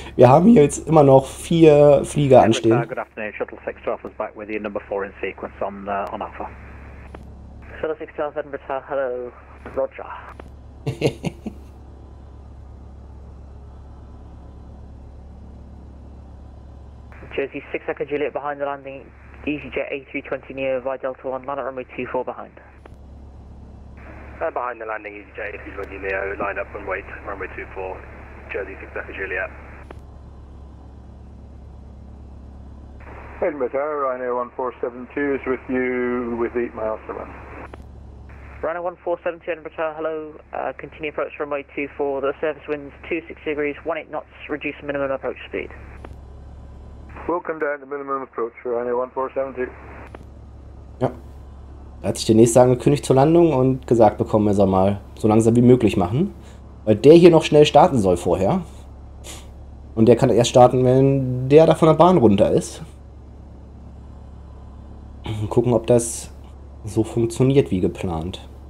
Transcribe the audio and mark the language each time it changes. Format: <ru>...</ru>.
<de>Wir haben hier jetzt immer noch vier Flieger anstehen.</de> <en>Good afternoon, Shuttle 6 Alpha is back with you, number 4 in sequence on Alpha. Shuttle 6 Alpha, Edinburgh Tower, hello, Roger. Jersey 6 Echo Juliet behind the landing, EasyJet A320 near via Delta 1, land at runway 24 behind. Behind the landing, EasyJ, if you're running Neo, line up and wait, runway 24, Jersey 6 Echo Juliet. Edinburgh Tower, Ryanair 1472 is with you with 8 miles to run. Ryanair 1472, Edinburgh Tower, hello, continue approach runway 24, the surface winds 260 degrees, 18 knots, reduce minimum approach speed. We'll come down to minimum approach for Ryanair 1472.</en> <de>Da hat sich der Nächste angekündigt zur Landung und gesagt bekommen, er soll mal so langsam wie möglich machen. Weil der hier noch schnell starten soll vorher. Und der kann erst starten, wenn der da von der Bahn runter ist. Und gucken, ob das so funktioniert wie geplant.</de>